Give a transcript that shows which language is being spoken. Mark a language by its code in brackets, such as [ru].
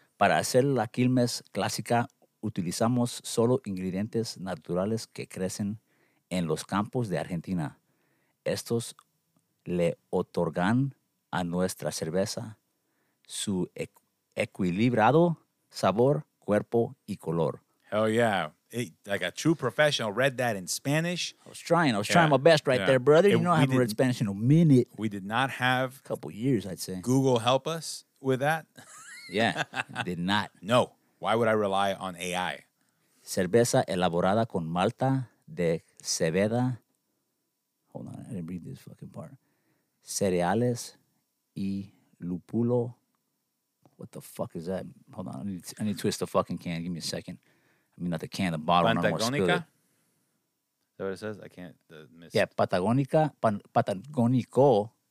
[es] Para hacer la Quilmes clásica, utilizamos solo ingredientes naturales que crecen en los campos de Argentina. Estos le otorgan a nuestra cerveza su equilibrado sabor, cuerpo, y color. [en] Hell yeah. Hey, like a true professional, read that in Spanish. I was trying my best right there, brother. You know I haven't read Spanish in a minute. We did not have... a couple years, I'd say. Google help us with that? Yeah, did not. No. Why would I rely on AI? [es] Cerveza elaborada con malta de cebada. [en] Hold on, I didn't read this fucking part. [es] Cereales y lúpulo. [en] What the fuck is that? Hold on, I need to twist the fucking can. Give me a second. I mean, not the can, the bottle. [es] Patagónica? [en] Is that what it says? I can't miss it. Yeah, Patagónica, Patagónico.